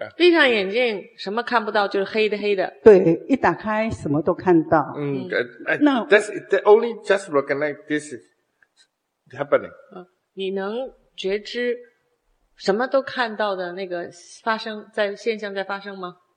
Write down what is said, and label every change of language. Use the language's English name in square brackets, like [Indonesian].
[Chinese] 闭上眼睛，什么看不到，就是黑的黑的。对，一打开什么都看到。 [English] 那 that's only just recognize this is happening. [Chinese] 你能觉知什么都看到的那个发生在现象在发生吗？